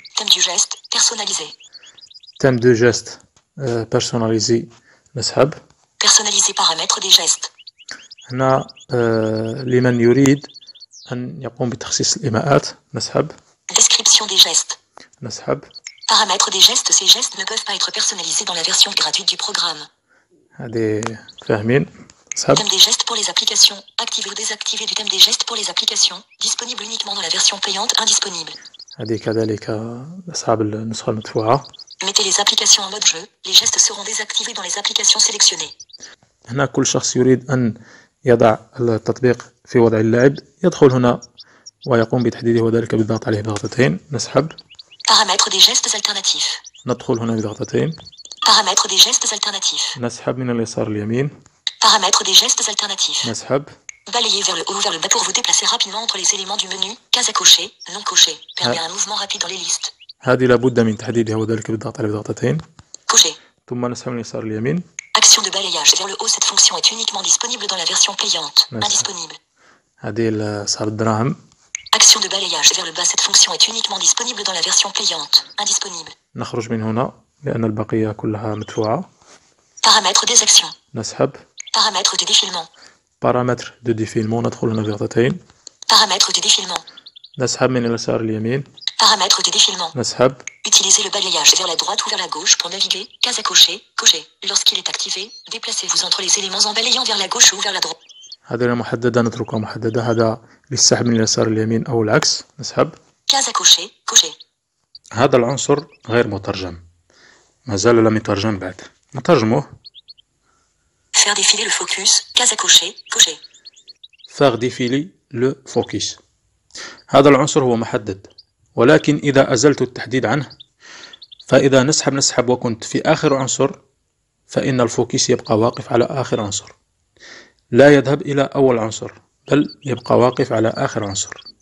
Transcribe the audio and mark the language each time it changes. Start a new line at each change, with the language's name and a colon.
French: Thème du geste personnalisé. Thème du geste personnalisé.
Arabic: نسحب.
French: Personnaliser paramètres des gestes.
Arabic: هنا لمن يريد أن يقوم بتخصيص الإيماءات. نسحب.
French: Description des gestes.
Arabic: نسحب.
French: Paramètres des gestes. Ces gestes ne peuvent pas être personnalisés dans la version gratuite du programme.
Arabic: هذه فاهمين. نسحب.
French: Thème des gestes pour les applications. Activer ou désactiver du thème des gestes pour les applications. Disponible uniquement dans la version payante. Indisponible.
Arabic: هذه كذلك صعب النسخة المدفوعة.
French: Mettez les applications en mode jeu. Les gestes seront désactivés dans les applications sélectionnées.
Arabic: هنا كل شخص يريد أن يضع التطبيق في وضع اللعب يدخل هنا ويقوم بتحديده وذلك بالضغط عليه بضغطتين. نسحب.
French: Paramètres des gestes alternatifs.
Arabic: ندخل هنا بضغطتين.
French: Paramètres des gestes alternatifs.
Arabic: نسحب من اليسار اليمين.
French: Paramètres des gestes alternatifs.
Arabic: نسحب.
French: Balayez vers le haut ou vers le bas pour vous déplacer rapidement entre les éléments du menu. Case à cocher, non coché. Permet un mouvement rapide dans les listes.
Arabic: هذه لابد من تحديدها وذلك بالضغط على بضغطتين.
French: Coché.
Arabic: ثم نسحب من اليسار اليمين.
French: Action de balayage vers le haut. Cette fonction est uniquement disponible dans la version payante. Indisponible.
Arabic: هذه صار الدراهم.
French: Action de balayage vers le bas. Cette fonction est uniquement disponible dans la version payante. Indisponible.
Arabic: نخرج من هنا لأن البقية كلها مدفوعة.
French: Paramètres des actions.
Arabic: نسحب.
French: Paramètres du défilement. Paramètres de défilement.
Arabic: ندخل هنا بضغطتين.
French: Paramètres du défilement.
Arabic: نسحب من اليسار اليمين.
French: Paramètres du défilement.
Arabic: نسحب.
French: Utilisez le balayage vers la droite ou vers la gauche pour naviguer. Case à cocher. Cocher. Lorsqu'il est activé, déplacez-vous entre les éléments en balayant vers la gauche ou vers la droite.
Arabic: هذا محددة نتركها محددة. هذا للسحب من اليسار اليمين أو العكس. نسحب.
French: Case à cocher. Cocher.
Arabic: هذا العنصر غير مترجم. ما زال لم يترجم بعد.
French: Montage-moi. Faire défiler le focus, case à cocher, cocher. Faire défiler le focus.
Arabic: هذا العنصر هو محدد ولكن إذا أزلت التحديد عنه فإذا نسحب نسحب وكنت في آخر عنصر فإن الفوكس يبقى واقف على آخر عنصر لا يذهب إلى أول عنصر بل يبقى واقف على آخر عنصر